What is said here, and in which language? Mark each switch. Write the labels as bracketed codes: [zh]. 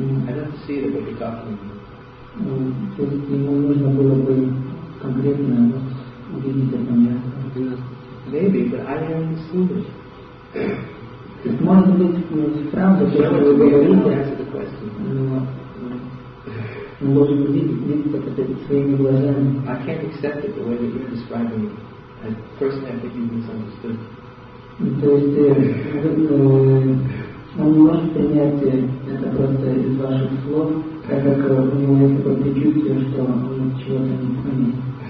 [en] I don't see that what you're talking about. [ru] То есть ему нужно было бы конкретно увидеть это место. [en] Maybe, but I haven't seen it. [ru] Может быть, правда, что вы говорите, [en] answer the question. [ru] должен видеть это перед своими глазами. [en] I can't accept it the way that you're describing it. And personally, I think you've misunderstood. [ru] То есть он не может принять это просто из ваших слов, так как у него есть такое предчувствие, что он чего-то не понимает.